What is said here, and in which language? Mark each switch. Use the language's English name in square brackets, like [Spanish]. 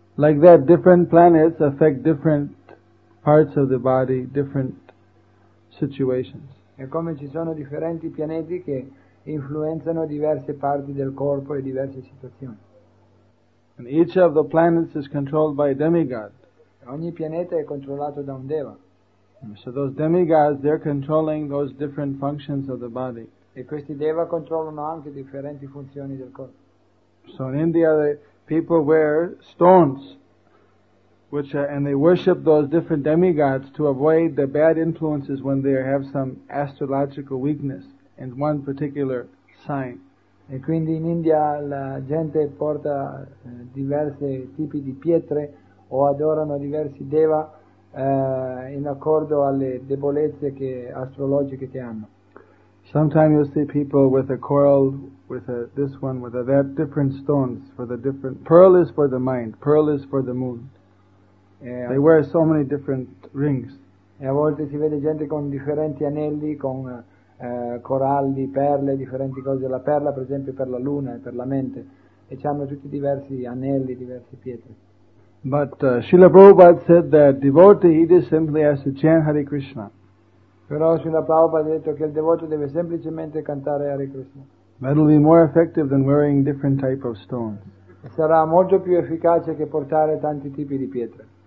[English] Like that, different planets affect different parts of the body, different situations. [Italian] E come ci sono differenti pianeti che influenzano diverse parti del corpo e diverse situazioni. [English] And each of the planets is controlled by a demigod. [Italian] Ogni pianeta è controllato da un deva. [English] So those demigods, they're controlling those different functions of the body. [Italian] E questi deva controllano anche differenti funzioni del corpo. [English] So in India, the people wear stones, and they worship those different demigods to avoid the bad influences when they have some astrological weakness in one particular sign. [Italian] E quindi in India la gente porta diversi tipi di pietre o adorano diversi deva in accordo alle debolezze che astrologiche che hanno. [English] Sometimes you see people with a coral, with a this one, with a that, different stones for the different. Pearl is for the mind. Pearl is for the moon. Yeah. They wear so many different rings. [Italian] E a volte si vede gente con differenti anelli, con coralli, perle, differenti cose. La perla, per esempio, per la luna e per la mente. E c'hanno tutti diversi anelli, diverse pietre. [English] But Srila Prabhupada said that devotee, he just simply has to chant Hare Krishna. [Italian] Però Srila Prabhupada ha detto che il devoto deve semplicemente cantare Hare Krishna. [English] That will be more effective than wearing different type of stones. [Italian] Sarà molto più efficace che portare tanti tipi di pietre.